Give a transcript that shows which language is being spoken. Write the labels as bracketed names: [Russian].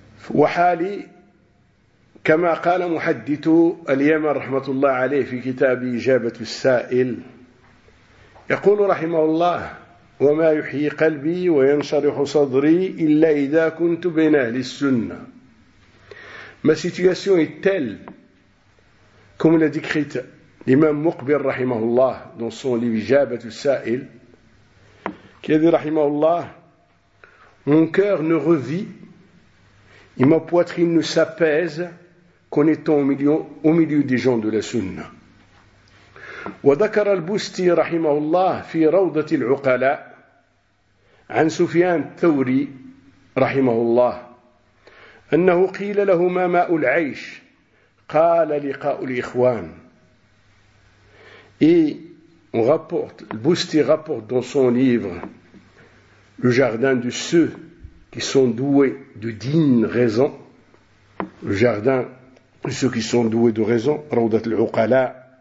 [Arabic] وحالي كما قال محدث اليمن رحمه الله عليه في كتاب اجابه السائل يقول رحمه الله وما يحيي قلبي وينشرح صدري الا اذا كنت بين اهل السنه. [French] Ma situation est telle comme l'a décrit l'imam Muqbil rahimahullah dans son livre Ijabat al-Sa'il, qui a dit rahimahullah, mon cœur ne revit et ma poitrine ne s'apaise qu'en étant au milieu des gens de la sunna. [Arabic] وذكر البستي رحمه الله في روضة العقلاء عن سفيان الثوري رحمه الله أنه قيل له ما ماء العيش؟ قال لقاء الإخوان. [French] Et on rapporte, Bousti rapporte dans son livre le jardin de ceux qui sont doués de digne raison, le jardin de ceux qui sont doués de raison, Rawdat al-Uqala.